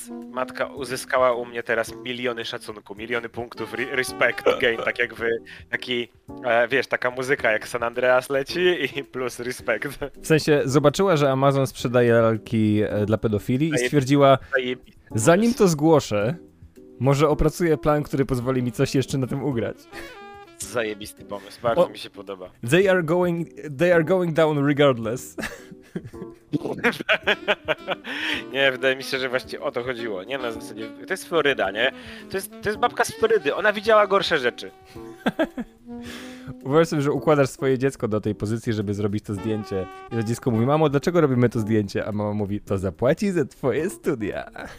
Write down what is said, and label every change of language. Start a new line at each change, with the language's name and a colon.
Polish: Matka uzyskała u mnie teraz miliony szacunku, miliony punktów respect gain, tak jak wy, taki, wiesz, taka muzyka jak San Andreas leci i plus respect. W sensie zobaczyła, że Amazon sprzedaje lalki dla pedofilii i stwierdziła, zanim to zgłoszę, może opracuję plan, który pozwoli mi coś jeszcze na tym ugrać. Zajebisty pomysł, bardzo mi się podoba.
English: They are going down regardless.
Polish: Nie, wydaje mi się, że właśnie o to chodziło. Nie, na zasadzie, to jest Floryda, nie? To jest babka z Florydy, ona widziała gorsze rzeczy. Uważaj sobie, że układasz swoje dziecko do tej pozycji, żeby zrobić to zdjęcie. I to dziecko mówi, mamo, dlaczego robimy to zdjęcie? A mama mówi, to zapłaci za twoje studia.